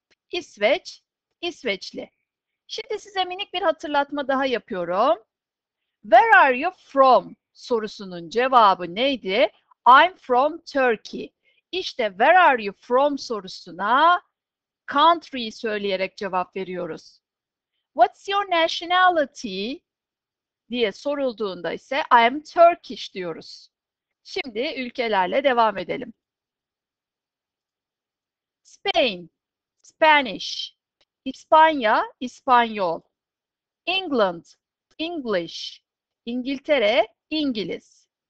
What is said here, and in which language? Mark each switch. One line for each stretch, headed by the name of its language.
Turkish: İsveç, İsveçli. Şimdi size minik bir hatırlatma daha yapıyorum.
English: Where are you from?
Turkish: Sorusunun cevabı neydi?
English: I'm from Turkey. İşte where are you from sorusuna country
Turkish: söyleyerek cevap veriyoruz.
English: What's your nationality?
Turkish: Diye sorulduğunda ise
English: I'm Turkish
Turkish: diyoruz. Şimdi ülkelerle devam edelim. Spain, Spanish. İspanya, İspanyol. England, English. İngiltere, İngiliz.